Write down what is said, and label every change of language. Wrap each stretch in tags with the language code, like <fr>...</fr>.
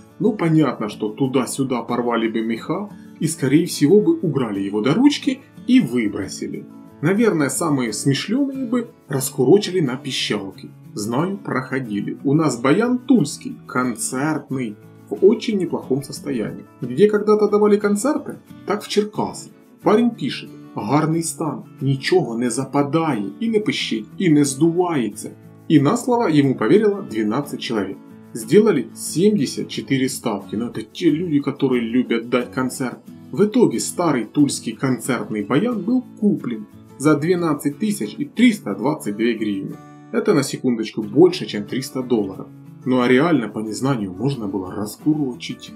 <ru>Ну понятно, что туда-сюда порвали бы меха и скорее всего бы убрали его до ручки и выбросили. Наверное, самые смешленные бы раскурочили на пищалки. Знаю, проходили. У нас баян тульский, концертный. В очень неплохом состоянии. Где когда-то давали концерты? Так в Черкас. Парень пишет:</ru> <uk>гарний стан, нічого не западає і не пищить, і не здувається. І на слово йому повірило 12 чоловік.</uk> <ru>Сделали 74 ставки. Ну это те люди, которые любят дать концерт. В итоге старый тульский концертный баян был куплен за 12322 гривни. Это на секундочку больше, чем 300 долларов. Ну а реально по незнанию можно было раскурочить.</ru>